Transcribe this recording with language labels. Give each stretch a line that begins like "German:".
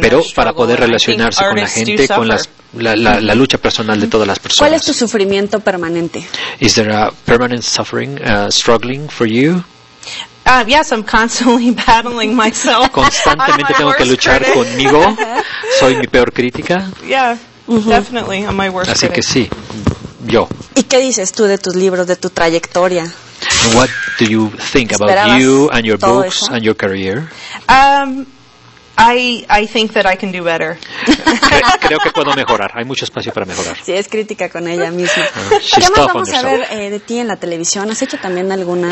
Spanish: pero para poder relacionarse con la gente, con la lucha personal de todas las personas. ¿Cuál es tu sufrimiento permanente?
English: Is there a permanent suffering, struggling for you? Yes, I'm constantly battling myself.
Spanish: Constantemente tengo que luchar conmigo. Soy mi peor crítica.
English: Yeah, definitely, I'm my worst critic.
Spanish: Así que sí, yo. ¿Y qué dices tú de tus libros, de tu trayectoria?
English: What do you think about you and your books and your career? I think that I can do better.
Spanish: Creo que puedo mejorar. Hay mucho espacio para mejorar. Sí, es crítica con ella misma.
English: She's
Spanish: ¿qué más
English: tough
Spanish: vamos
English: on yourself.
Spanish: A ver de ti en la televisión? ¿Has hecho también algunas